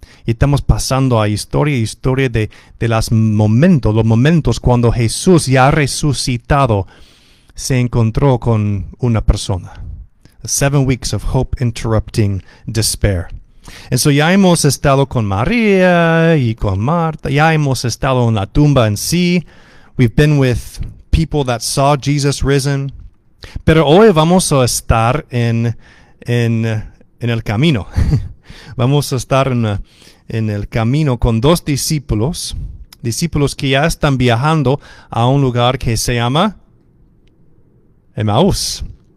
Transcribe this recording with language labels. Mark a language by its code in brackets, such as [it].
[es] Y estamos pasando a historia de los momentos cuando Jesús, ya resucitado, se encontró con una persona. [en] 7 weeks of hope interrupting despair. [es] Entonces ya hemos estado con María y con Marta. Ya hemos estado en la tumba en sí. [en] We've been with people that saw Jesus risen. [es] Pero hoy vamos a estar en el camino. Vamos a estar en el camino con 2 discípulos. Discípulos que ya están viajando a un lugar que se llama Emaús.